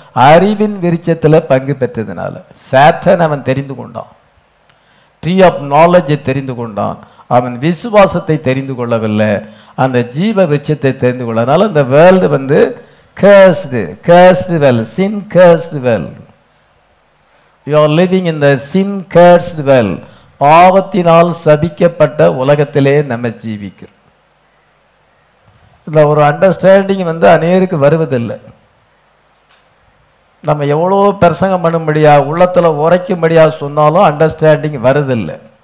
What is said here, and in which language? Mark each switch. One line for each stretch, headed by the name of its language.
Tamil: அறிவின் விருட்சத்தில் பங்கு பெற்றதுனால. சாத்தான் அவன் தெரிந்து கொண்டான்,
English: tree of நாலேஜை
Tamil: தெரிந்து கொண்டான், அவன் விசுவாசத்தை தெரிந்து கொள்ளவில்லை, அந்த ஜீவ விருட்சத்தை தெரிந்து கொள்ளனால இந்த வேர்ல்டு வந்து
English: Cursed, cursed world, sin cursed world. You are living in the sin-cursed world.
Tamil: பாவத்தினால் சபிக்கப்பட்ட உலகத்திலே நம்ம ஜீவிக்கிறோம். இதில் ஒரு அண்டர்ஸ்டாண்டிங் வந்து அநேருக்கு வருவதில்லை. நம்ம எவ்வளோ பிரசங்கம் பண்ணும்படியா, உள்ளத்தில் உரைக்கும்படியா சொன்னாலும் அண்டர்ஸ்டாண்டிங் வருதில்லை.